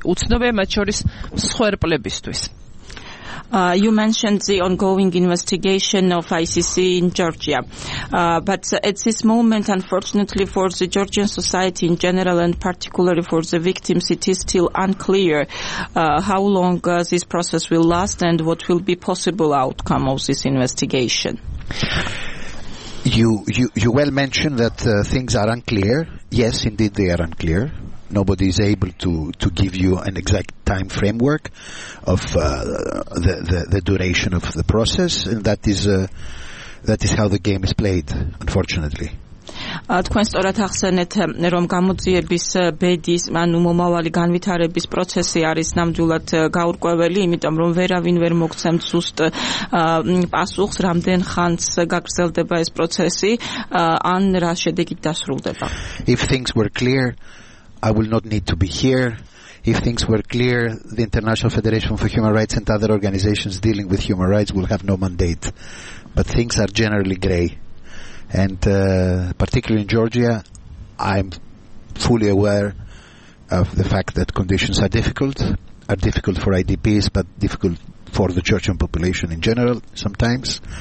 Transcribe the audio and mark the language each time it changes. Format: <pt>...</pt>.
<ka>უცნობია მათ შორის მსხვერპლებისთვის.</ka> <en>You mentioned the ongoing investigation of ICC in Georgia. But at this moment, unfortunately for the Georgian society in general and particularly for the victims, it is still unclear how long this process will last and what will be possible outcome of this investigation. You well mentioned that things are unclear. Yes, indeed, they are unclear. Nobody is able to give you an exact time framework of the duration of the process, and that is how the game is played, unfortunately.</en> <ka>თქვენ სწორად ახსენეთ, რომ გამოძიების ბედის, ანუ მომავალი განვითარების პროცესი არის ნამდვილად გაურკვეველი, იმიტომ რომ ვერავინ ვერ მოგცემთ ზუსტ პასუხს, რამდენ ხანს გაგრძელდება ეს პროცესი, ან რა შედეგით დასრულდება.</ka> <en>If things were clear, I will not need to be here. If things were clear, the International Federation for Human Rights and other organizations dealing with human rights will have no mandate. But things are generally gray. And particularly in Georgia, I'm fully aware of the fact that conditions are difficult for IDPs, but difficult for the Georgian population in general sometimes.</en>